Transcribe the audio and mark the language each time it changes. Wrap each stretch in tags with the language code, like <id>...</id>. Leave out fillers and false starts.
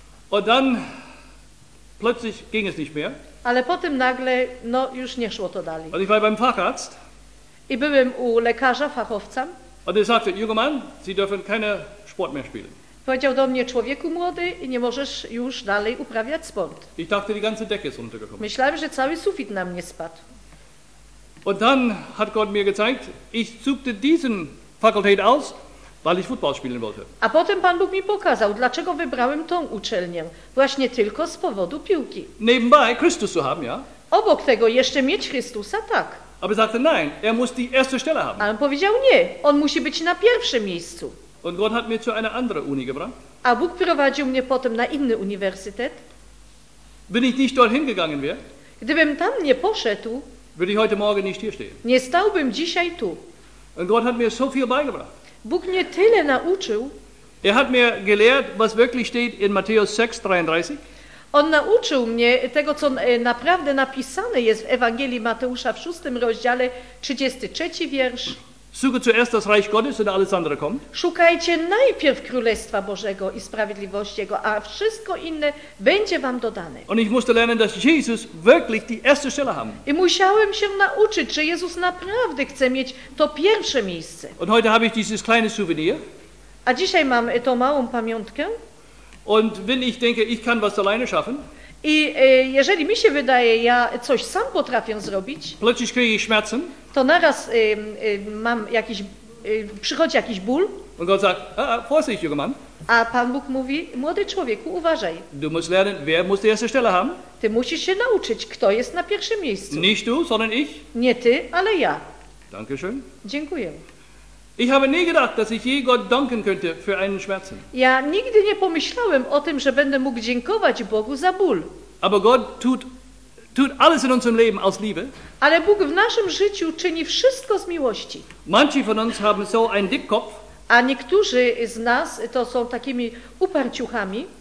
<de>Und dann plötzlich ging es nicht mehr.</de> <pl>Ale potem nagle, no już nie szło to dalej.</pl> <de>Und ich war beim Facharzt.</de> <pl>I byłem u lekarza, fachowca.</pl> <de>Und er sagte, junger Mann, Sie dürfen keinen Sport mehr spielen.</de> <pl>Powiedział do mnie, człowieku młody, nie możesz już dalej uprawiać sport.</pl> <de>Ich dachte, die ganze Decke ist runtergekommen.</de> <pl>Myślałem, że cały sufit na mnie spadł.</pl> <de>Und dann hat Gott mir gezeigt, ich suchte diesen Fakultät aus, weil ich Football spielen wollte.</de> <pl>A potem Pan Bóg mi pokazał, dlaczego wybrałem tą uczelnię. Właśnie tylko z powodu piłki.</pl> <de>Nebenbei Christus zu haben, ja?</de> <pl>Obok tego jeszcze mieć Chrystusa, tak.</pl> <de>Aber sagte, nein, muss die erste Stelle haben.</de> <pl>Ale powiedział, nie, on musi być na pierwszym miejscu.</pl> <de>Und Gott hat mich zu einer anderen Uni gebracht.</de> <pl>A Bóg prowadził mnie potem na inny uniwersytet.</pl> <de>Bin ich nicht dorthin gegangen wäre,</de> <pl>gdybym tam nie poszedł,</pl> <de>würde ich heute Morgen nicht hier stehen.</de> <pl>Nie stałbym dzisiaj tu.</pl> <de>Und Gott hat mir so viel beigebracht.</de> <pl>Bóg mnie tyle nauczył.</pl> <de>Hat mir gelehrt, was wirklich steht in Matthäus 6:33.</de> <pl>On nauczył mnie tego, co naprawdę napisane jest w Ewangelii Mateusza w 6 rozdziale, 33 wiersz.</pl> <de>Suche zuerst das Reich Gottes und alles andere kommt.</de> <pl>Szukajcie najpierw Królestwa Bożego i sprawiedliwości Jego, a wszystko inne będzie wam dodane.</pl> <de>Und ich musste lernen, dass Jesus wirklich die erste Stelle haben.</de> <pl>I musiałem się nauczyć, że Jezus naprawdę chce mieć to pierwsze miejsce.</pl> <de>Und heute habe ich dieses kleine Souvenir.</de> <pl>A dzisiaj mam tą małą pamiątkę.</pl> <de>Und wenn ich denke, ich kann was alleine schaffen.</de> <pl>I jeżeli mi się wydaje, ja coś sam potrafię zrobić,</pl> <de>plötzlich kriege ich Schmerzen.</de> <pl>To naraz mam jakiś, przychodzi jakiś ból.</pl> <de>Und Gott sagt, vorsicht, junger Mann.</de> <pl>A Pan Bóg mówi, młody człowieku, uważaj.</pl> <de>Du musst lernen, wer muss die erste Stelle haben.</de> <pl>Ty musisz się nauczyć, kto jest na pierwszym miejscu.</pl> <de>Nicht du, sondern ich.</de> <pl>Nie ty, ale ja.</pl> <de>Dankeschön.</de> <pl>Dziękuję.</pl> <de>Ich habe nie gedacht, dass ich je Gott danken könnte für einen Schmerzen.</de> <pl>Ja nigdy nie pomyślałem o tym, że będę mógł dziękować Bogu za ból.</pl> <de>Aber Gott tut alles in unserem Leben aus Liebe.</de> <pl>Ale Bóg w naszym życiu czyni wszystko z miłości.</pl> <de>Manche von uns haben so einen Dickkopf.</de> <pl>A niektórzy z nas to są takimi uparciuchami.</pl>